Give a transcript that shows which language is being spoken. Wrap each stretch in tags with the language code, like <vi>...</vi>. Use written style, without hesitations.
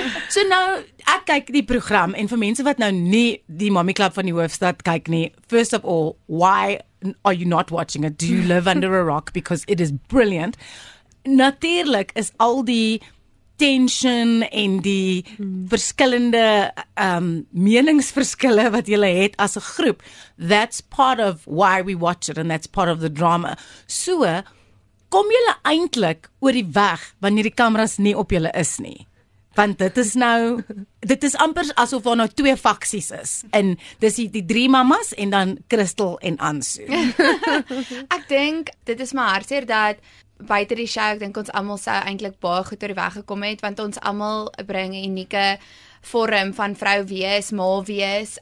<af>So nou, ek kyk die program en vir mense wat nou nie die Mommy Club van die Hoofstad kyk nie,</af> <en>first of all, why are you not watching it? Do you live under a rock? Because it is brilliant.</en> <af>Natuurlik is al die tension en die verskillende meningsverskille wat jy het as 'n groep.</af> <en>That's part of why we watch it and that's part of the drama.</en> <af>So, kom jy eintlik oor die weg wanneer die kameras nie op jy is nie? Want dit is amper asof daar nou twee faksies is. En dis die drie mamas en dan Crystal en Ansu. Ek dink, dit is my hartseer dat buiten die show, ek dink ons allemaal sou eintlik baie goed oor die weg gekom het, want ons allemaal bring 'n unieke vorm van vrou wees, ma wees.</af>